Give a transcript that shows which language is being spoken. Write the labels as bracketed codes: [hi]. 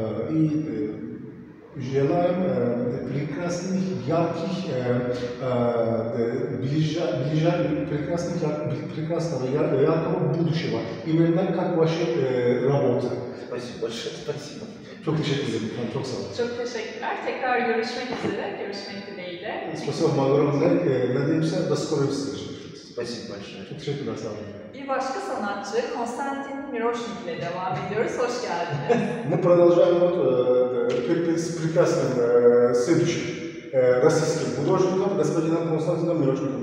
[ru] И желаем прекрасных, ярких, прекрасных, прекрасного, яркого будущего, именно как ваша работа. Спасибо большое, спасибо. [tr] Çok teşekkür ederim. Çok sağ olun. Çok teşekkürler. Tekrar görüşmek üzere. Görüşmek dileğiyle. [ru] Спасибо большое. Надеемся до скорой встречи. Спасибо большое. [tr] Çok teşekkürler. Sağ olun. Bir başka sanatçı Konstantin Miroşnik ile devam ediyoruz. Hoş geldiniz. [ru] Мы продолжаем вот прекрасным следующим российским художником господином Константином Мирошником.